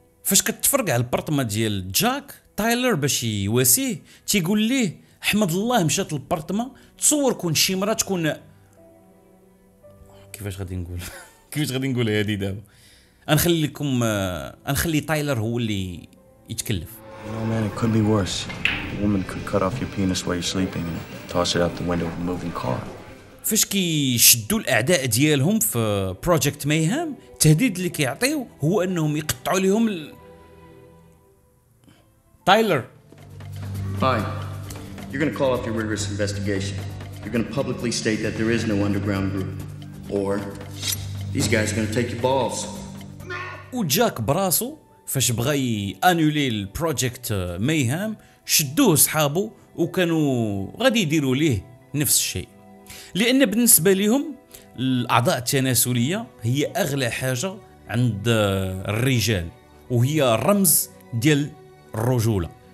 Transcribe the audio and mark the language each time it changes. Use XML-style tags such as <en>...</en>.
<ar>فاش كتفرقع البارطما ديال جاك تايلر باش يواسيه تيقول ليه احمد الله مشات البارطما تصور كون شي مرة تكون كيفاش غادي نقول كيفاش غادي نقول هادي دابا نخلي لكم نخلي تايلر هو اللي يتكلف.</ar> <en>No man, it could be worse. A woman could cut off your penis while you're sleeping and toss it out the window of a moving car.</en> <ar>فاش كيشدوا الاعداء ديالهم في بروجكت ميهام التهديد اللي كيعطيو هو انهم يقطعوا لهم تايلر.</ar> <en>Fine. You're going to call off your rigorous investigation. You're going to publicly state that there is no underground group. Or these guys are going to take your balls.</en> <ar>وجاك براسو فاش بغى يانولي البروجكت ميهام شدوه صحابه وكانوا غادي يديروا ليه نفس الشيء. لان بالنسبه لهم الاعضاء التناسليه هي اغلى حاجه عند الرجال وهي الرمز ديال الرجوله.</ar>